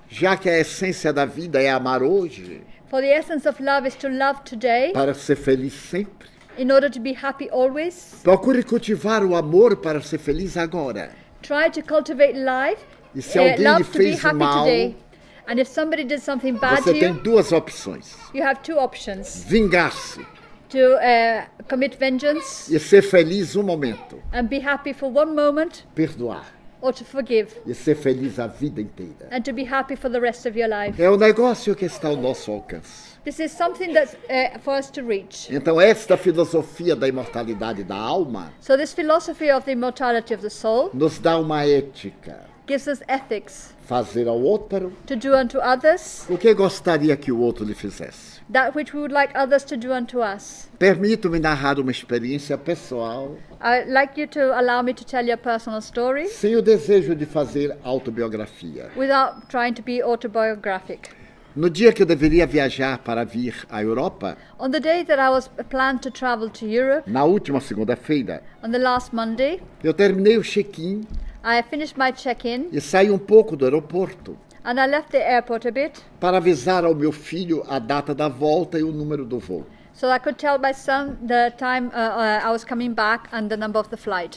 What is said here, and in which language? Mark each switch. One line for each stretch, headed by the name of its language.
Portuguese: Já que a essência da vida é amar hoje.
English: For the essence of love is to love today.
Portuguese: Para ser feliz sempre.
English: In order to be happy always.
Portuguese: Procure cultivar o amor para ser feliz agora.
English: Try to cultivate life.
Portuguese: E se alguém lhe fez mal.
English: And if somebody did something bad
Portuguese: você
English: to you,
Portuguese: tem duas opções.
English: You have two options.
Portuguese: Vingar-se.
English: To commit vengeance.
Portuguese: E ser feliz um momento.
English: And be happy for one moment.
Portuguese: Perdoar.
English: Or to forgive.
Portuguese: E ser feliz a vida inteira.
English: And to be happy for the rest of your life.
Portuguese: É um negócio que está ao nosso alcance.
English: This is something that's for us to reach.
Portuguese: Então esta filosofia da imortalidade da alma.
English: So this philosophy of the immortality of the soul.
Portuguese: Nos dá uma ética.
English: Gives us ethics.
Portuguese: Fazer ao outro.
English: To do unto others.
Portuguese: O que gostaria que o outro lhe fizesse.
English: That which we would like others to do unto us.
Portuguese: Permito-me narrar uma experiência pessoal.
English: I'd like you to allow me to tell you a personal story.
Portuguese: Sem o desejo de fazer autobiografia.
English: Without trying to be autobiographic.
Portuguese: No dia que eu deveria viajar para vir à Europa.
English: On the day that I was planned to travel to Europe.
Portuguese: Na última segunda-feira.
English: On the last Monday.
Portuguese: Eu terminei o check-in.
English: I finished my check-in.
Portuguese: E saí um pouco do aeroporto.
English: And I left the airport a bit.
Portuguese: Para avisar ao meu filho a data da volta e o número do voo.
English: So I could tell my son the time I was coming back and the number of the flight.